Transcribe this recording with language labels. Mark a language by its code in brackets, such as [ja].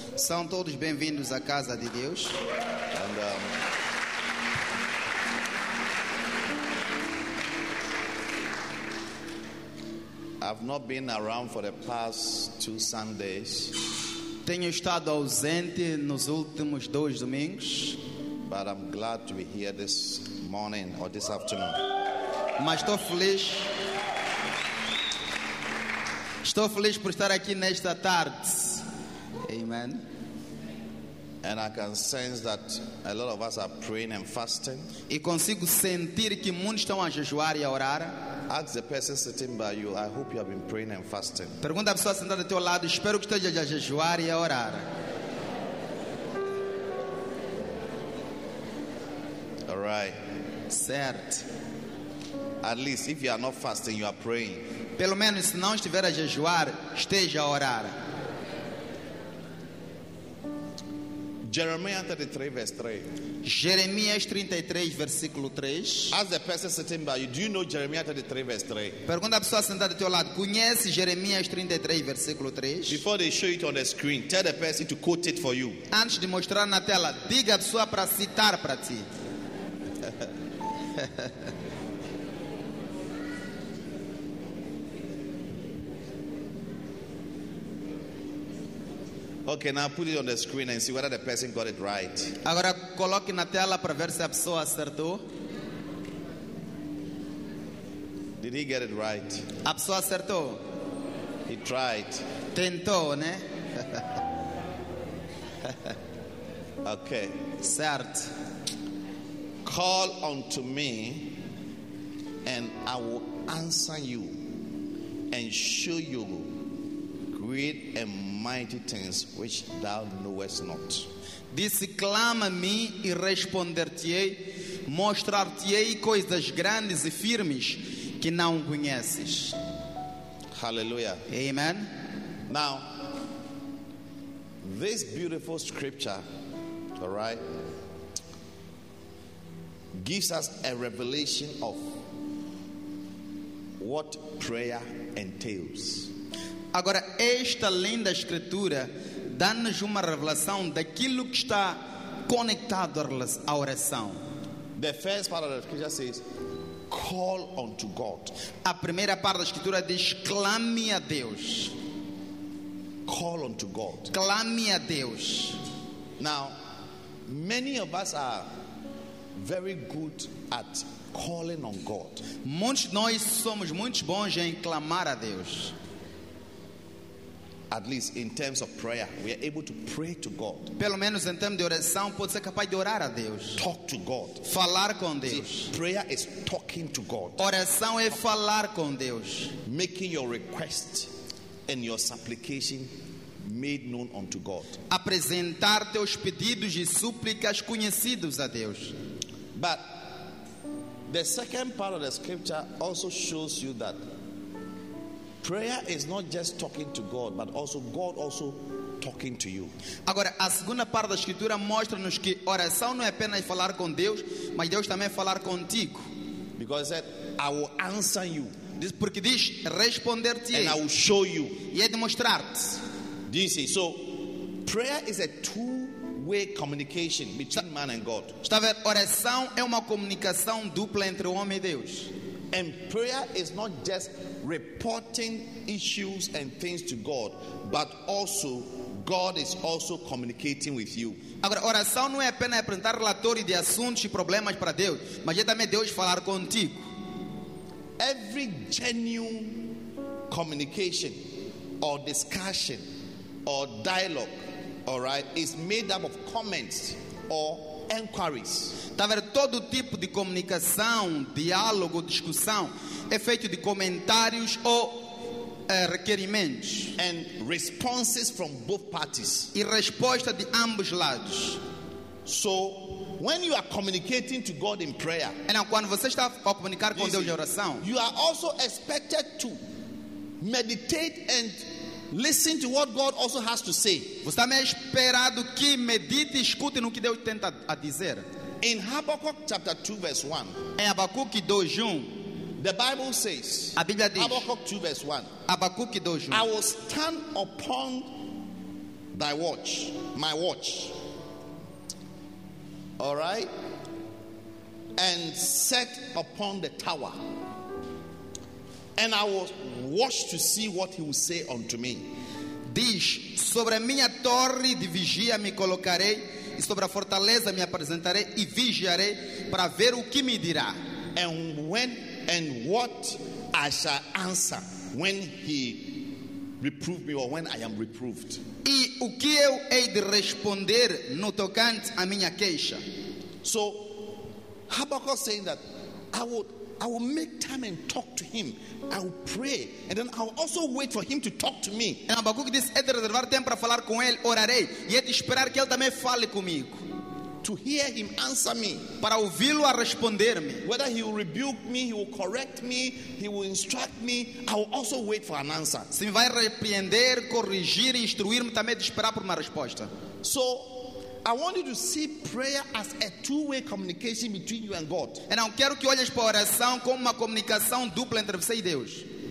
[pt] São todos bem-vindos à casa de Deus. [en] And I've not been around for the past two Sundays. [pt] Tenho estado ausente nos últimos dois domingos. [en] But I'm glad to be here this morning or this afternoon. [pt] Mas estou feliz. Estou feliz por estar aqui nesta tarde. Amen. [en] And I can sense that a lot of us are praying and fasting. [pt] E consigo sentir que muitos estão a jejuar e a orar. [en] Ask the person sitting by you, I hope you have been praying and fasting. [pt] Pergunta à pessoa sentada ao teu lado, espero que esteja a jejuar e a orar. [en] All right. [pt] Certo. [en] At least if you are not fasting, you are praying. [pt] Pelo menos se não estiver a jejuar, esteja a orar. [en] Jeremiah 33 verse 3. [pt] Jeremias 33 versículo 3. [en] Ask the person sitting by you, do you know Jeremiah 33 verse 3? [pt] Pergunta à pessoa sentada do teu lado, conhece Jeremias 33 versículo 3? [en] Before they show it on the screen, tell the person to quote it for you. [pt] Antes de mostrar na tela, diga à pessoa para citar para ti. [en] Okay, now put it on the screen and see whether the person got it right. [pt] Agora coloque na tela para ver se a pessoa acertou. [en] Did he get it right? [pt] A pessoa acertou. [en] He tried. [pt] Tentou, né? [en] Okay. [pt] Certo. [en] Call unto me and I will answer you and show you great and mighty things which thou knowest not. [pt] Disse, clama-me e responder-te-ei, mostrar-te-ei coisas grandes e firmes que não conheces. [en] Hallelujah. Amen. Now, this beautiful scripture, all right, gives us a revelation of what prayer entails. [pt] Agora, esta linda escritura dá-nos uma revelação daquilo que está conectado à oração. [en] The first part of the scripture says, call unto God. [pt] A primeira parte da escritura diz, clame a Deus. [en] Call unto God. [pt] Clame a Deus. [en] Now, many of us are very good at calling on God. [pt] Muitos de nós somos muito bons em clamar a Deus. [en] At least in terms of prayer, we are able to pray to God. [pt] Pelo menos em termos de oração, pode ser capaz de orar a Deus. [en] Talk to God. [pt] Falar com Deus. [en] See, prayer is talking to God. [pt] Oração é falar com Deus. [en] Making your request and your supplication made known unto God. [pt] Apresentar teus pedidos e súplicas conhecidos a Deus. [en] But the second part of the scripture also shows you that prayer is not just talking to God, but also God also talking to you. [pt] Agora, a segunda parte da escritura mostra-nos que oração não é apenas falar com Deus, mas Deus também falar contigo. [en] Because he said, I will answer you. [pt] Diz, porque diz, responder-te-ei. [en] And I will show you. [pt] E é demonstrar-te. [en] Diz, so, prayer is a two-way communication between man and God. [pt] Está a ver, oração é uma comunicação dupla entre o homem e Deus. [en] And prayer is not just reporting issues and things to God, but also God is also communicating with you. [pt] Agora, oração não é apenas apresentar relatório de assuntos e problemas para Deus, mas é também Deus falar contigo. [en] Every genuine communication or discussion or dialogue, all right, is made up of comments or inquiries. [pt] Tá vendo? Todo tipo de comunicação, diálogo, discussão é feito de comentários ou requerimentos. [en] And responses from both parties. [pt] E resposta de ambos lados. [en] So, when you are communicating to God in prayer, [pt] então, quando você está a comunicar com Deus em oração, [en] you are also expected to meditate and listen to what God also has to say. [pt] Você também é esperado que medite e escute no que Deus tenta a dizer. [en] In Habakkuk chapter 2 verse 1. [pt] Em Habakkuk 2:1, [en] the Bible says. [pt] A Bíblia diz. [en] Habakkuk 2 verse 1. [pt] Habakkuk 2:1. [en] I will stand upon thy watch, my watch. All right? And set upon the tower. And I will watch to see what he will say unto me. [pt] Diz, sobre a minha torre de vigia me colocarei, e sobre a fortaleza me apresentarei e vigiarei para ver o que me dirá. [en] And when and what I shall answer when he reproved me or when I am reproved. [pt] E o que eu hei de responder no tocante à minha queixa. [en] So, Habakkuk saying that I will make time and talk to him. I will pray and then I will also wait for him to talk to me. [pt] E Habakkuk diz, é de reservar tempo para falar com ele, orarei e é de esperar que ele também fale comigo. [en] To hear him answer me. [pt] Para ouvi-lo a responder-me. [en] Whether he will rebuke me, he will correct me, he will instruct me, I will also wait for an answer. [pt] Se me vai repreender, corrigir, instruir-me, também é de esperar por uma resposta. [en] So, I want you to see prayer as a two-way communication between you and God. [pt] E não quero que olhes para a oração como uma comunicação dupla entre você e Deus.